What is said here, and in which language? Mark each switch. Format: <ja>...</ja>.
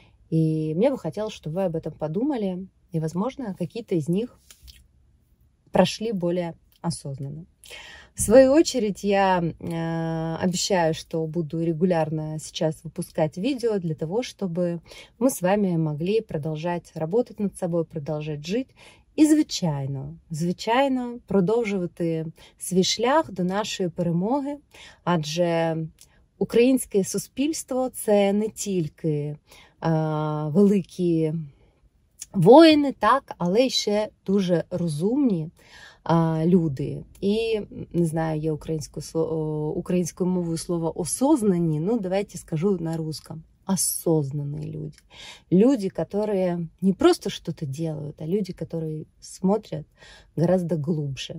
<ru>И мне бы хотелось, чтобы вы об этом подумали, и, возможно, какие-то из них прошли более осознанно. В свою очередь, я обещаю, что буду регулярно сейчас выпускать видео для того, чтобы мы с вами могли продолжать работать над собой, продолжать жить.</ru> <uk>І звичайно, звичайно, продовжувати свій шлях до нашої перемоги, адже українське суспільство – це не тільки великі воїни, так, але ще дуже розумні люди. І, не знаю, є українською мовою слово «осознані», ну давайте скажу</uk> <ru>на русском. Осознанные люди. Люди, которые не просто что-то делают, а люди, которые смотрят гораздо глубже.</ru>